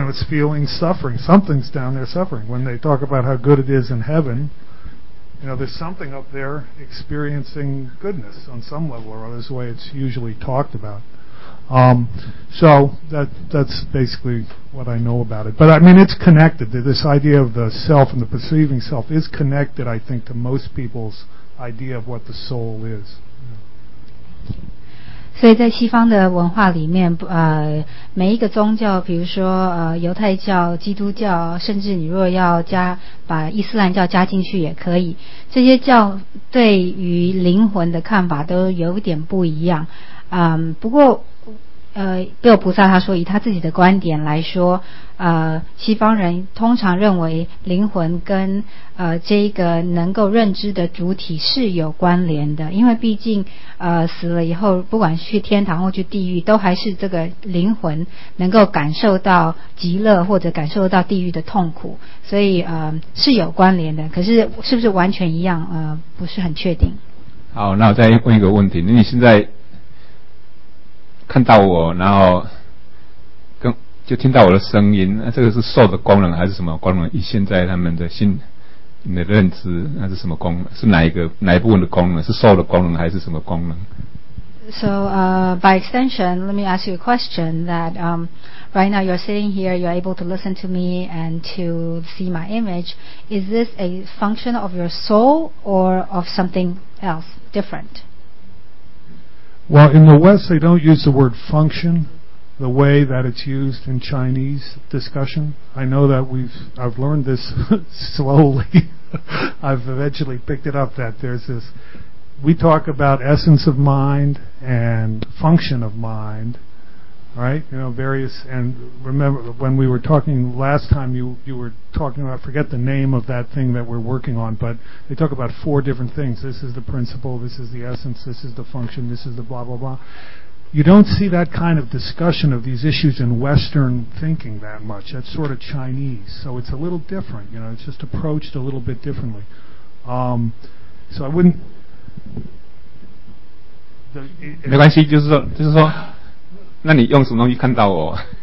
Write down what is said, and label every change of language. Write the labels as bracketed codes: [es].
[en] It's feeling suffering. Something's down there suffering. When they talk about how good it is in heaven, there's something up there experiencing goodness on some level or other, is the way it's usually talked about. So that's basically what I know about it. But it's connected. This idea of the self and the perceiving self is connected, I think, to most people's idea of what the soul is. [zh] 所以在西方的文化里面，每一个宗教，比如说犹太教、基督教，甚至你若要把伊斯兰教加进去也可以，这些教对于灵魂的看法都有点不一样。不过贝尔菩萨他说，以他自己的观点来说，西方人通常认为灵魂跟这个能够认知的主体是有关联的，因为毕竟死了以后，不管去天堂或去地狱，都还是这个灵魂能够感受到极乐或者感受到地狱的痛苦，所以是有关联的。可是是不是完全一样，不是很确定。好，那我再问一个问题，你现在看到我，然后就听到我的声音，那这个是soul的功能还是什么功能？以现在他们的心的认知，那是什么功能？是哪一部分的功能？是soul的功能还是什么功能？ [en] So by extension, let me ask you a question that right now you're sitting here, you're able to listen to me and to see my image. Is this a function of your soul or of something else different? Well, in the West, they don't use the word function the way that it's used in Chinese discussion. I know that I've learned this slowly. I've eventually picked it up that there's this, we talk about essence of mind and function of mind, right? You know, various, and remember when we were talking last time, you were talking about, I forget the name of that thing that we're working on, but they talk about four different things. This is the principle, this is the essence, this is the function, this is the blah, blah, blah. You don't see that kind of discussion of these issues in Western thinking that much. That's sort of Chinese. So it's a little different, you know, it's just approached a little bit differently. So I wouldn't... [zh] 没关系，就是说，那你用什么东西看到我？